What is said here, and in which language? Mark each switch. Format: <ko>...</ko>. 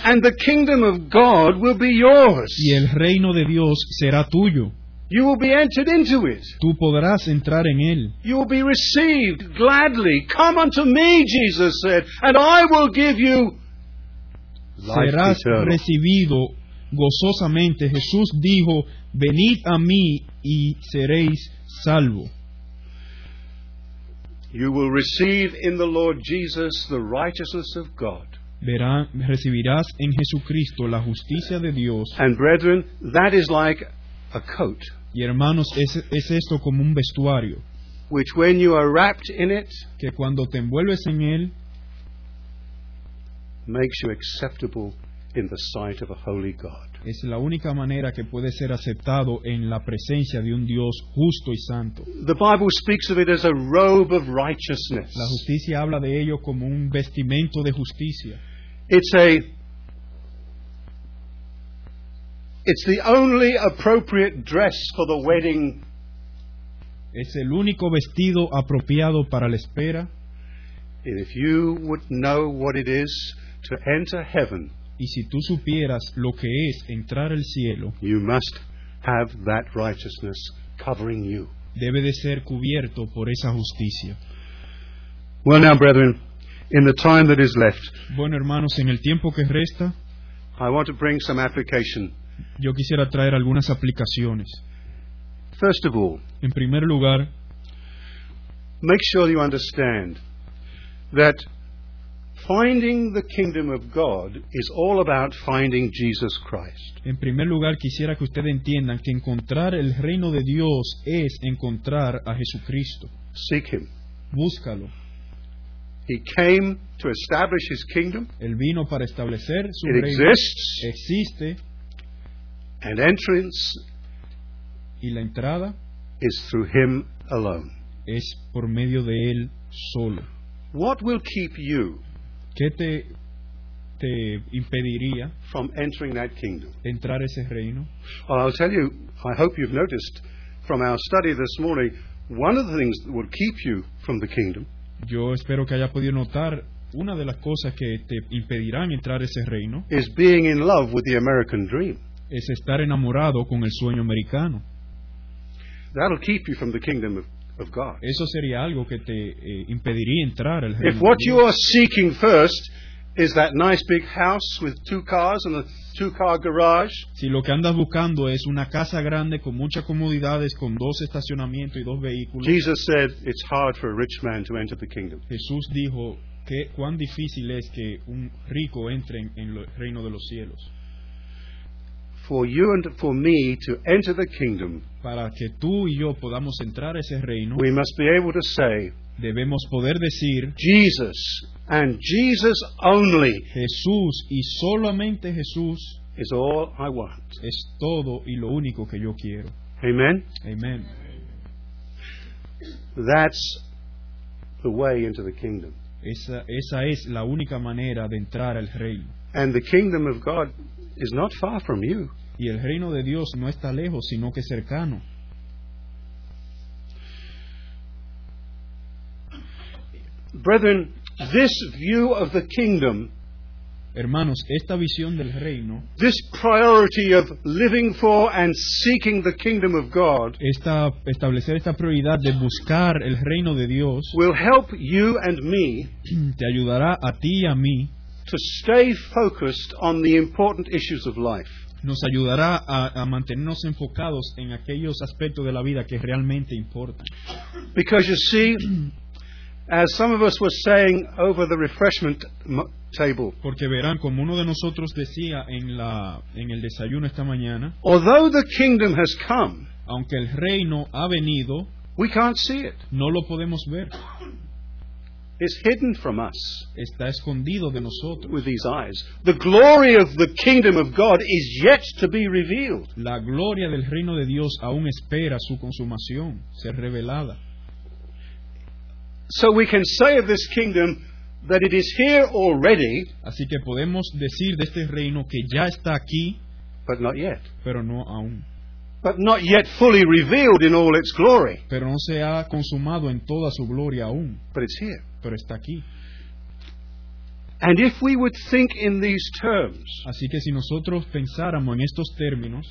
<en>And the kingdom of God will be yours.</en> <es>Y el reino de Dios será tuyo.</es> <en>You will be entered into it.</en> <es>Tú podrás entrar en él.</es> <en>You will be received gladly. Come unto me, Jesus said, and I will give you life</en> <es>serás</es> <en>eternal.</en> <es>Recibido gozosamente. Jesús dijo, venid a mí y seréis salvo.</es> <en>You will receive in the Lord Jesus the righteousness of God.</en> <es>Recibirás en Jesucristo la justicia de Dios.</es> <en>And brethren, that is like a coat.</en> <es>Y hermanos, es esto como un vestuario.</es> <en>Which when you are wrapped in it,</en> <es>que cuando te envuelves en él,</es> <en>makes you acceptable in the sight of a holy God.</en> <es>Es la única manera que puede ser aceptado en la presencia de un Dios justo y santo.</es> <en>The Bible speaks of it as a robe of righteousness.</en> <es>La justicia habla de ello como un vestimento de justicia.</es> <en>It's the only appropriate dress for the wedding.</en> <es>Es el único vestido apropiado para la espera.</es> <en>And if you would know what it is to enter heaven,</en> <es>y si tú supieras lo que es entrar al cielo,</es> <en>you must have that righteousness covering you.</en> <es>Debe de ser cubierto por esa justicia.</es> <en>Well now, brethren, in the time that is left,</en> <es>bueno, hermanos, en el tiempo que resta,</es> <en>I want to bring some application.</en> <es>Yo quisiera traer algunas aplicaciones.</es> <en>First of all,</en> <es>en primer lugar,</es> <en>make sure you understand that finding the kingdom of God is all about finding Jesus Christ.</en> <es>En primer lugar, quisiera que ustedes entiendan que encontrar el reino de Dios es encontrar a Jesucristo.</es> <en>Seek him.</en> <es>Búscalo.</es> <en>He came to establish his kingdom.</en> <es>Él vino para establecer su</es> <en>it</en> <es>reino.</es> <en>It exists.</en> <es>Existe.</es> <en>And entrance,</en> <es>y la entrada,</es> <en>is through him alone.</en> <es>Es por medio de él solo.</es> <en>What will keep you?</en> <es>¿Qué te impediría</es> <en>from entering that kingdom?</en> <es>Entrar ese reino.</es> <en>Well, I'll tell you. I hope you've noticed from our study this morning. One of the things that will keep you from the kingdom.</en> <es>Yo espero que haya podido notar una de las cosas que te impedirán entrar a ese reino</es> <en>is being in love with the American dream.</en> <es>Es estar enamorado con el sueño americano.</es> <en>That'll keep you from the kingdom of God.</en> <es>Eso sería algo que te impediría entrar al reino.</es> <en>If what you are seeking first is that nice big house with two cars and a two-car garage,</en> <es>si lo que andas buscando es una casa grande con muchas comodidades, con dos estacionamientos y dos vehículos,</es> <en>Jesus said it's hard for a rich man to enter the kingdom.</en> <es>Jesús dijo que cuán difícil es que un rico entre en el reino de los cielos.</es> <en>For you and for me to enter the kingdom,</en> <es>para que tú y yo podamos entrar a ese reino,</es> <en>we must be able to say,</en> <es>debemos poder decir,</es> <en>Jesus and Jesus only,</en> <es>Jesús y solamente Jesús,</es> <en>is all I want.</en> <es>Es todo y lo único que yo quiero.</es> <en>Amen.</en> <es>Amen.</es> <en>That's the way into the kingdom.</en> <es>Esa es la única manera de entrar al reino.</es> <en>And the kingdom of God is not far from you.</en> <es>Y el reino de Dios no está lejos, sino que cercano.</es> <en>Brethren, this view of the kingdom,</en> <es>hermanos, esta visión del reino,</es> <en>this priority of living for and seeking the kingdom of God,</en> <es>establecer esta prioridad de buscar el reino de Dios,</es> <en>will help you and me,</en> <es>te ayudará a ti y a mí,</es> <en>to stay focused on the important issues of life.</en> <es>Nos ayudará a mantenernos enfocados en aquellos aspectos de la vida que realmente importan.</es> <en>Because you see, as some of us were saying over the refreshment table,</en> <es>porque verán, como uno de nosotros decía en el desayuno esta mañana,</es> <en>although the kingdom has come,</en> <es>aunque el reino ha venido,</es> <en>we can't see it.</en> <es>No lo podemos ver.</es> <en>It's hidden from us.</en> <es>Está escondido de nosotros.</es> <en>With these eyes, the glory of the kingdom of God is yet to be revealed.</en> <es>La gloria del reino de Dios aún espera su consumación, ser revelada.</es> <en>So we can say of this kingdom that it is here already.</en> <es>Así que podemos decir de este reino que ya está aquí,</es> <en>but not yet.</en> <es>Pero no aún.</es> <en>But not yet fully revealed in all its glory.</en> <es>Pero no se ha consumado en toda su gloria aún.</es> <en>But it's here.</en> <es>Pero está aquí.</es> <en>And if we would think in these terms,</en> <es>así que si nosotros pensáramos en estos términos,</es>